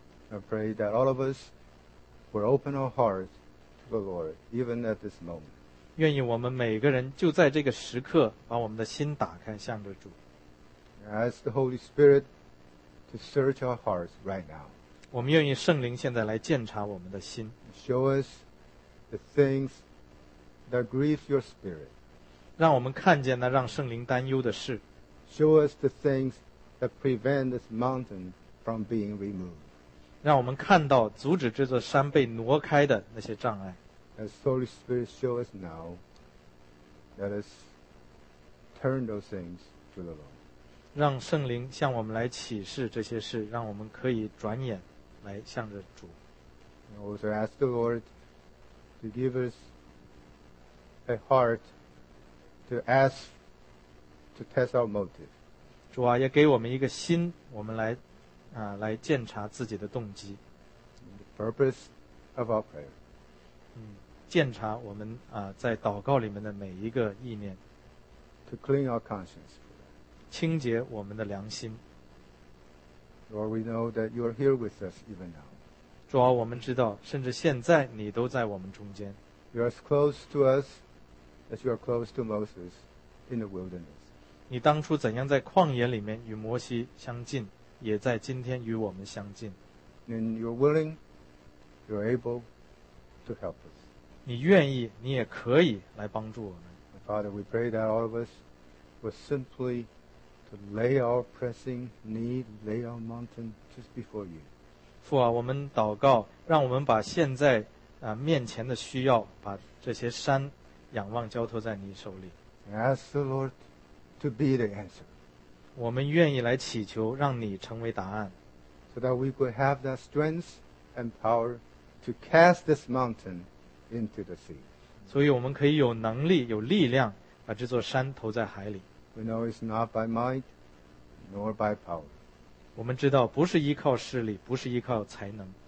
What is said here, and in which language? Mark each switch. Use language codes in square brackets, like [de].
[en] I pray that all of us will open our hearts to the Lord, even at this moment. [zh] 愿意我们每个人就在这个时刻把我们的心打开向着主。 [en] Ask the Holy Spirit to search our hearts right now. [zh] 我们愿意圣灵现在来检查我们的心。 [en] Show us the things that grieve your spirit. [zh] 让我们看见那让圣灵担忧的事。 [en] Show us the things that prevent this mountain from being removed. [zh] 让我们看到阻止这座山被挪开的那些障碍。 [en] As Holy Spirit show us now, let us turn those things to the Lord. [zh] 让圣灵向我们来启示这些事，让我们可以转眼来向着主。 [en] And also ask the Lord to give us a heart to ask to test our motive. [zh] 主啊，也给我们一个心，我们来检查自己的动机。 [en] The purpose of our prayer. [zh] 检查我们在祷告里面的每一个意念。 [en] To clean our conscience. [zh] 清洁我们的良心。 [en] Lord, we know that you are here with us even now. [zh] 主啊，我们知道，甚至现在你都在我们中间。 [en] You are as close to us as you are close to Moses in the wilderness. [zh] 你当初怎样在旷野里面与摩西相近，也在今天与我们相近。 [en] And you're willing, you're able to help us. [zh] 你愿意，你也可以来帮助我们。 [en] Father, we pray that all of us will simply to lay our pressing need, lay our mountain just before you. [zh] 父啊，我们祷告，让我们把现在面前的需要，把这些山仰望交托在你手里。 [en] Ask the Lord to be the answer. [zh] 我们愿意来祈求，让你成为答案。 [en] So that we could have that strength and power to cast this mountain into the sea. [zh] 所以我们可以有能力，有力量，把这座山投在海里。 [en] We know it's not by might, nor by power. [zh] 我们知道不是依靠势力，不是依靠才能。